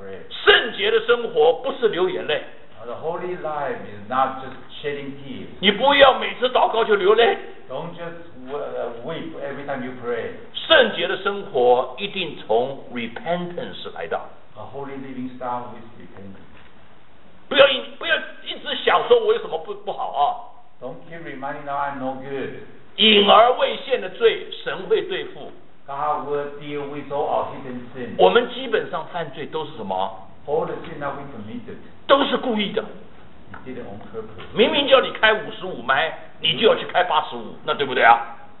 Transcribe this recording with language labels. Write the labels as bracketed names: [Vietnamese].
[Chinese] 圣洁的生活不是流眼泪。 [English] The holy life is not just shedding tears. [Chinese] 你不要每次祷告就流泪。 [English] Don't just weep every time you pray. [Chinese] 圣洁的生活一定从 repentance 来的。 [English] A holy living starts with repentance. [Chinese] 不要一直想说我有什么 不好啊。 [English] Don't keep reminding that I'm no good. [Chinese] 隐而未现的罪，神会对付。 [English] God will deal with all our hidden sins. [Chinese] 我们基本上犯罪都是什么？ [English] All the sins that we committed. [Chinese] 都是故意的。 [English] You did it on purpose. [Chinese] 明明叫你开55迈，你就要去开85，那对不对啊？